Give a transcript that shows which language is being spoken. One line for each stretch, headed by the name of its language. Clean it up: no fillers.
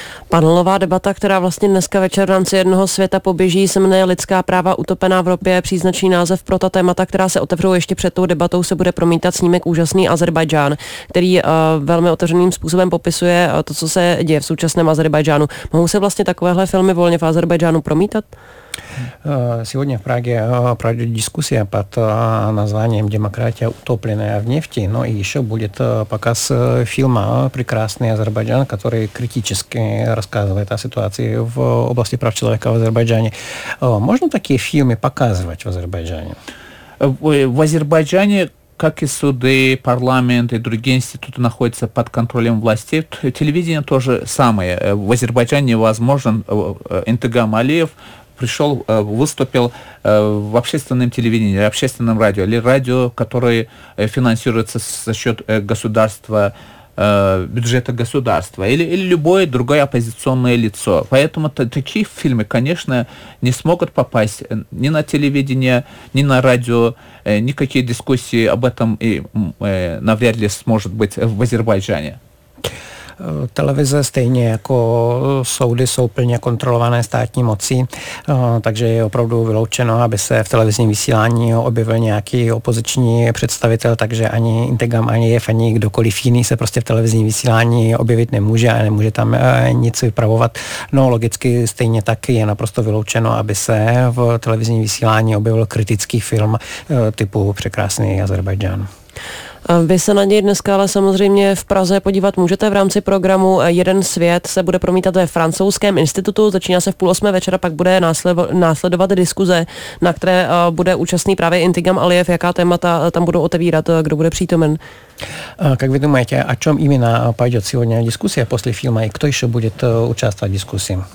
Czech: Panelová debata, která vlastně dneska večer v rámci jednoho světa poběží, se jmenuje Lidská práva utopená v Evropě, příznačný název pro ta témata, která se otevřou ještě před tou debatou, se bude promítat snímek Úžasný Azerbajdžán, který velmi otevřeným způsobem popisuje to, co se děje v současném Azerbajdžánu. Mohou se vlastně takovéhle filmy volně v Azerbajdžánu promítat?
Russian: Сегодня в Праге пройдет дискуссия под названием «Демократия утопленная в нефти», но еще будет показ фильма «Прекрасный Азербайджан», который критически рассказывает о ситуации в области прав человека в Азербайджане. Можно такие фильмы показывать в Азербайджане? В Азербайджане, как и суды, парламент и другие институты находятся под контролем властей, телевидение тоже самое. В Азербайджане невозможен Интегам Алиев, пришел, выступил в общественном телевидении, общественном радио, или радио, которое финансируется за счет государства, бюджета государства, или любое другое оппозиционное лицо. Поэтому такие фильмы, конечно, не смогут попасть ни на телевидение, ни на радио, никакие дискуссии об этом навряд ли сможет быть в Азербайджане.
Czech: televize, stejně jako soudy, jsou plně kontrolované státní mocí, takže je opravdu vyloučeno, aby se v televizním vysílání objevil nějaký opoziční představitel, takže ani Integam, ani JF, ani kdokoliv jiný se prostě v televizním vysílání objevit nemůže a nemůže tam nic vypravovat. No logicky stejně tak je naprosto vyloučeno, aby se v televizním vysílání objevil kritický film typu Překrásný Azerbajdžán. Vy se na něj dneska ale samozřejmě v Praze podívat můžete. V rámci programu Jeden svět se bude promítat ve Francouzském institutu. Začíná se v 19:30 večera, pak bude následovat diskuze, na které bude účastný právě Integam Alijev. Jaká témata tam budou otevírat, kdo bude přítomen?
Russian: Как вы думаете, о чем именно пойдет сегодня дискуссия после фильма и кто еще будет участвовать в дискуссии?